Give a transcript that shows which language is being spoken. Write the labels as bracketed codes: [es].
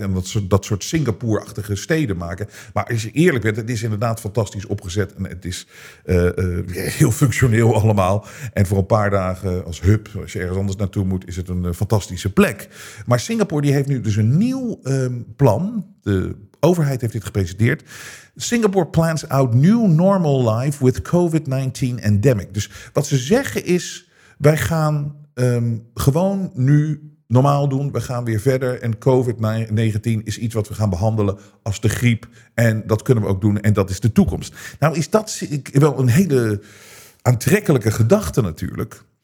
[nl] En dat soort Singapore-achtige steden maken. Maar als je eerlijk bent, het is inderdaad fantastisch opgezet. En het is heel functioneel allemaal. En voor een paar dagen als hub, als je ergens anders naartoe moet, is het een fantastische plek. Maar Singapore die heeft nu dus een nieuw plan. De overheid heeft dit gepresenteerd. [en] Singapore plans out new normal life with COVID-19 endemic. [nl] Dus wat ze zeggen is, wij gaan gewoon nu normaal doen. We gaan weer verder en COVID-19 is iets wat we gaan behandelen als de griep. En dat kunnen we ook doen en dat is de toekomst. Nou is dat wel een hele aantrekkelijke gedachte natuurlijk.